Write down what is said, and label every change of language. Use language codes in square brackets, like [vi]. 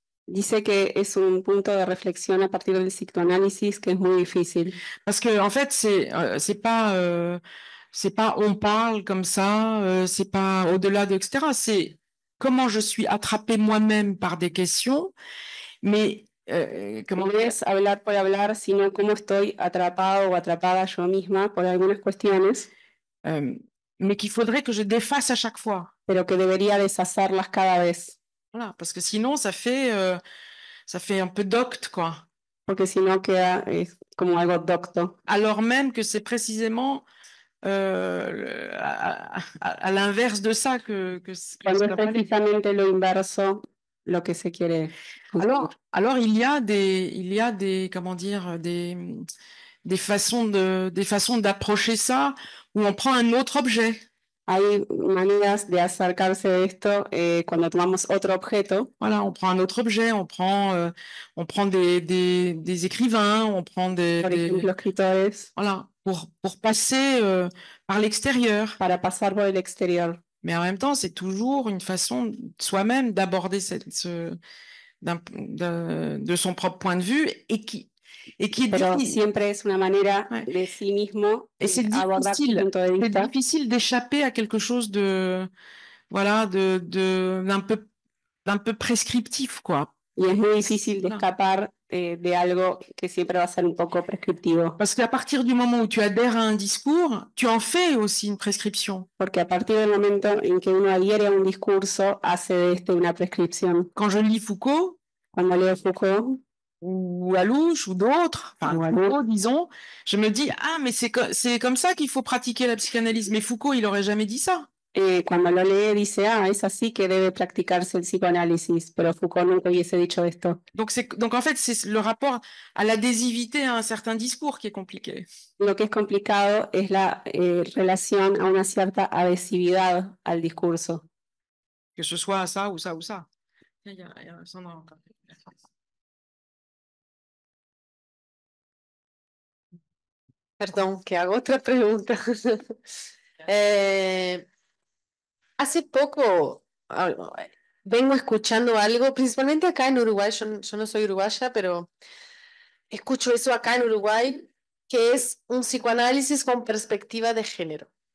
[es] dice que es un punto de reflexión a partir del psicoanálisis que es muy difícil. [fr] Parce que en fait c'est pas on parle comme ça, c'est pas au-delà de etc. C'est comment je suis attrapée moi-même par des questions, mais [es] comment no es hablar por hablar, sino cómo estoy atrapado o atrapada yo misma por algunas cuestiones. [fr] Mais qu'il faudrait que je défasse à chaque fois. [es] Pero que debería deshacerlas cada vez. [fr] Voilà, parce que sinon ça fait un peu docte quoi. [es] Porque si no queda como algo docto. [fr] Alors même que c'est précisément à l'inverse de ça que [es] cuando es precisamente lo inverso lo que se quiere. [fr] Alors il y a des comment dire des façons d'approcher ça où on prend un autre objet. [es] Hay maneras de acercarse a esto cuando tomamos otro objeto. [fr] Voilà, on prend un autre objet, on prend des écrivains, on prend des [es] por ejemplo, escritores. [fr] Voilà, pour passer par l'extérieur. [es] Para pasar por el exterior. [fr] Mais en même temps, c'est toujours une façon soi-même d'aborder de son propre point de vue et qui [es] pero dit, siempre es una manera ouais. De sí mismo [fr] et c'est difficile, [es] punto de vista. [fr] C'est difficile d'échapper à quelque chose de voilà de d'un peu prescriptif quoi. [es] Y es muy difícil de escapar de algo que siempre va a ser un poco prescriptivo. [fr] Parce qu'à partir du moment où tu adhères à un discours, tu en fais aussi une prescription. [es] Porque a partir del momento en que uno adhiere a un discurso hace de este una prescripción. [fr] Quand je lis Foucault, [es] cuando leo Foucault [fr] ou Alouche ou d'autres, enfin Foucault, disons, je me dis ah mais c'est comme ça qu'il faut pratiquer la psychanalyse. Mais Foucault il aurait jamais dit ça. [es] Cuando lo lee dice ah es así que debe practicarse el psicoanálisis, pero Foucault nunca hubiese dicho esto. [fr] Donc en fait c'est le rapport à l'adhésivité à un certain discours qui est compliqué. [es] Lo que es complicado es la relación a una cierta adhesividad al discurso. [fr] Que ce soit ça ou ça ou ça. [es] Perdón, que hago otra pregunta. Hace poco vengo escuchando algo, principalmente acá en Uruguay, yo no soy uruguaya, pero escucho eso acá en Uruguay, que es un psicoanálisis con perspectiva de género.